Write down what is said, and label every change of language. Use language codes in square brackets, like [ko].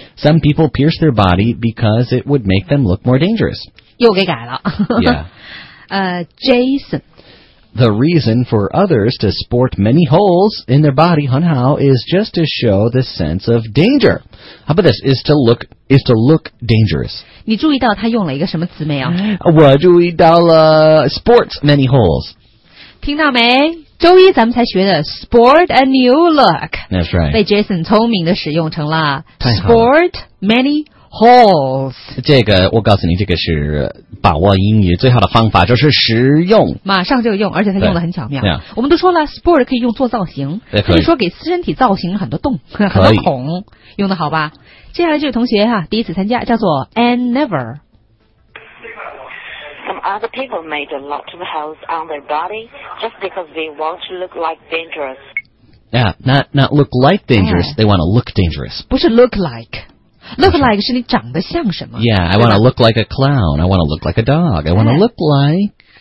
[en] Some people pierce their body because it would make them look more dangerous. [zh] 又给改了。 [en] yeah. Jason. The reason for others to sport many holes in their body, Hun Hao, is just to show the sense of danger. How about this? Is to look dangerous. [zh] 你注意到他用了一个什么词没有？我注意到了 [en] sports many holes. [zh] 听到没？周一咱们才学的 [en] sport a new look. That's right. [zh] 被 Jason 聪明的使用成了 [en] sport many holes. [zh] 这个我告诉你，这个是。把握英语最好的方法就是实用，马上就用，而且它用得很巧妙。 [en] Yeah. [zh] 我们都说了 ，sport 可以用做造型，可以说给身体造型很多洞、很多孔，用得好吧？接下来这位同学哈、啊，第一次参加，叫做 Anne Never。 [en] Some other people made a lot of holes on their body just because they want to look like dangerous. Yeah, not look like dangerous.、Yeah. They want to look dangerous. [zh] 不是 look like. Look like 是你长得像什么 [en] Yeah, I want to look like a clown I want to look like a dog I want to look like、